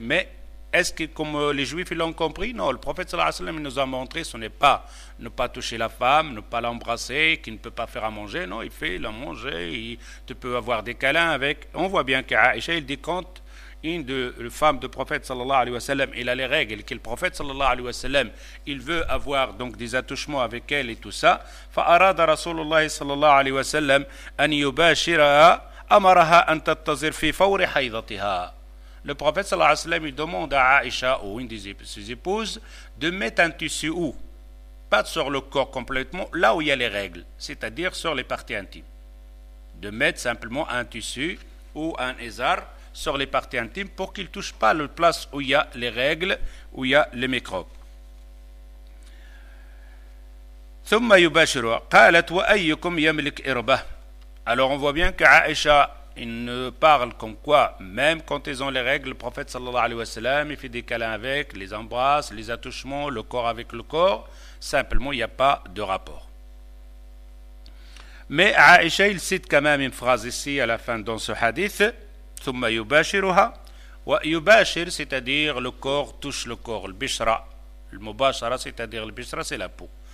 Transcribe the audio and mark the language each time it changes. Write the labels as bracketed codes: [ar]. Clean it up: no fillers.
[fr] Mais est-ce que, comme les juifs ils l'ont compris? Non, le prophète sallallahu alayhi wa sallam, il nous a montré, ce n'est pas ne pas toucher la femme, ne pas l'embrasser, qu'il ne peut pas faire à manger. Non, il fait la manger, tu peux avoir des câlins avec. On voit bien qu'Aïcha, il dit quand une de les femmes du prophète sallallahu alayhi wa sallam, il a les règles, qu'il prophète sallallahu alayhi wa sallam, il veut avoir donc des attouchements avec elle et tout ça. [ar] فأراد رسول الله صلى الله عليه وسلم أن يباشرها أمرها أن تتظر في فور حيضتها. [fr] Le prophète sallallahu alayhi wa sallam, il demande à Aïcha, ou une de ses épouses, de mettre un tissu où? Pas sur le corps complètement, là où il y a les règles, c'est-à-dire sur les parties intimes. De mettre simplement un tissu ou un ézar sur les parties intimes pour qu'il ne touche pas la place où il y a les règles, où il y a les microbes. [ar] ثم يباشروا قالت وأيكم يملك إربه. [fr] Alors on voit bien que Aïcha, il ne parle comme quoi, même quand ils ont les règles, le prophète sallallahu alayhi wa sallam, il fait des câlins avec, les embrasse, les attouchements, le corps avec le corps, simplement il n'y a pas de rapport. Mais Aïcha, il cite quand même une phrase ici à la fin dans ce hadith, [ar] ثم يباشرها ويباشر, [fr] c'est-à-dire le corps touche le corps, le bishra, le mubashara, c'est-à-dire le bishra, c'est la peau.